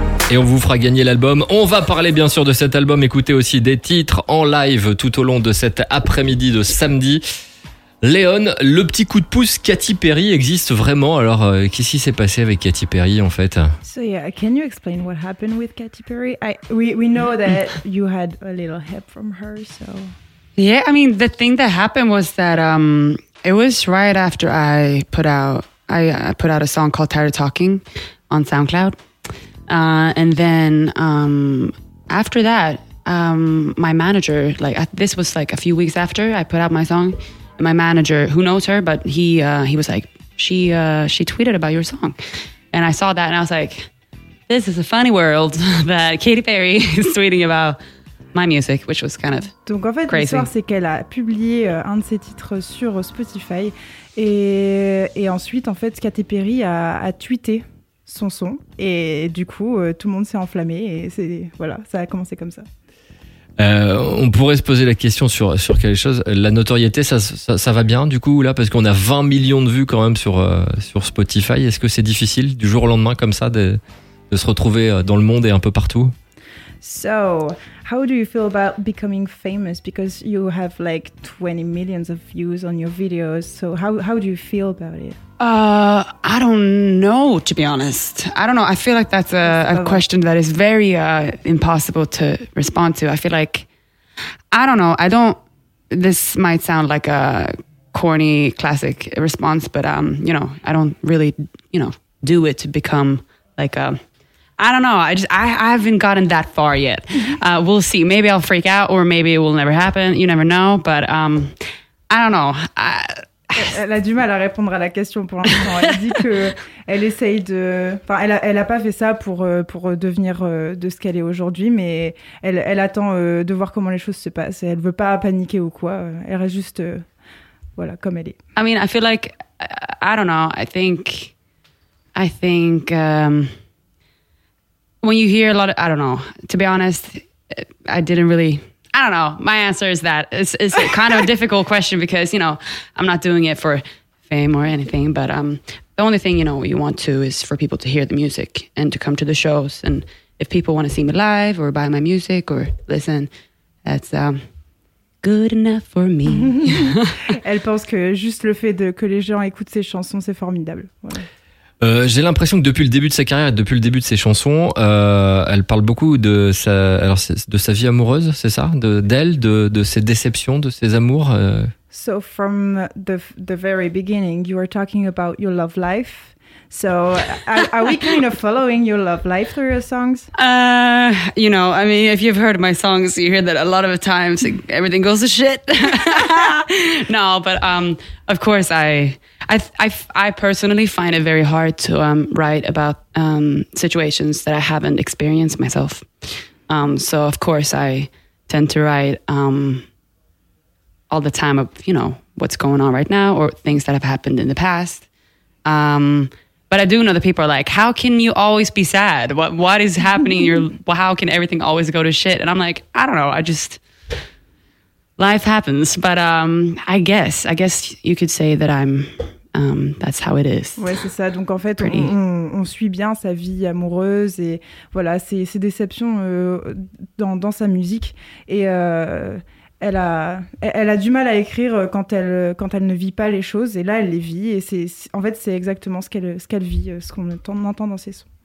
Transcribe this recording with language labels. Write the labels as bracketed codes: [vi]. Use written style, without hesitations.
[fr] Et on vous fera gagner l'album. On va parler bien sûr de cet album, écouter aussi des titres en live tout au long de cet après-midi de samedi. Léon, le petit coup de pouce Katy Perry existe vraiment. Alors, qu'est-ce qui s'est passé avec Katy Perry en fait? [en] So yeah, can you explain what happened with Katy Perry? We know that you had a little help from her, so... Yeah, I mean, the thing that happened was that it was right after I put out a song called Tired of Talking on SoundCloud. And then after that, my manager, this was like a few weeks after I put out my song, my manager, who knows her, but he was like, she tweeted about your song. And I saw that and I was like, this is a funny world that Katy Perry is tweeting about my music, which was kind of crazy. [fr] Donc en fait, l'histoire, c'est qu'elle a publié un de ses titres sur Spotify et ensuite, en fait, Katy Perry a tweeté son son et du coup tout le monde s'est enflammé et c'est voilà, ça a commencé comme ça. On pourrait se poser la question sur quelque chose, la notoriété ça va bien du coup là, parce qu'on a 20 millions de vues quand même sur Spotify. Est-ce que c'est difficile du jour au lendemain comme ça de se retrouver dans le monde et un peu partout? [en] So how do you feel about becoming famous because you have like 20 millions of views on your videos? So how do you feel about it? I don't know, to be honest. I don't know. I feel like that's a question that is very impossible to respond to. I feel like, I don't know. This might sound like a corny classic response, but, you know, I don't really, you know, do it to become like a, I don't know. I haven't gotten that far yet. We'll see. Maybe I'll freak out or maybe it will never happen. You never know. But I don't know. [fr] Elle a du mal à répondre à la question pour l'instant. Elle dit que elle essaye de. Enfin, elle a pas fait ça pour devenir de ce qu'elle est aujourd'hui, mais elle attend de voir comment les choses se passent. Elle veut pas paniquer ou quoi. Elle reste juste voilà comme elle est. [en] I mean, I feel like I don't know. I think when you hear a lot of, I don't know. To be honest, I didn't really. I don't know. My answer is that it's kind of a difficult question because, you know, I'm not doing it for fame or anything, but the only thing, you know, you want to is for people to hear the music and to come to the shows. And if people want to see me live or buy my music or listen, that's good enough for me. [fr] Elle pense que juste le fait que les gens écoutent ses chansons, c'est formidable. Voilà. J'ai l'impression que depuis le début de sa carrière et depuis le début de ses chansons, elle parle beaucoup de sa vie amoureuse, c'est ça, de ses déceptions, de ses amours. [en] So from the very beginning, you were talking about your love life. So are we kind of following your love life through your songs? You know, I mean, if you've heard my songs, you hear that a lot of times everything goes to shit. No, but of course, I personally find it very hard to write about situations that I haven't experienced myself. So of course, I tend to write all the time of, you know, what's going on right now or things that have happened in the past. But I do know that people are like, how can you always be sad? What is happening? How can everything always go to shit? And I'm like, I don't know. Life happens. But I guess you could say that I'm, that's how it is. [fr] Ouais, c'est ça. Donc en fait, on suit bien sa vie amoureuse et voilà, ses déceptions dans sa musique. Et Elle a du mal à écrire quand elle ne vit pas les choses, et là elle les vit, et c'est exactement ce qu'elle vit, ce qu'on entend dans ses sons.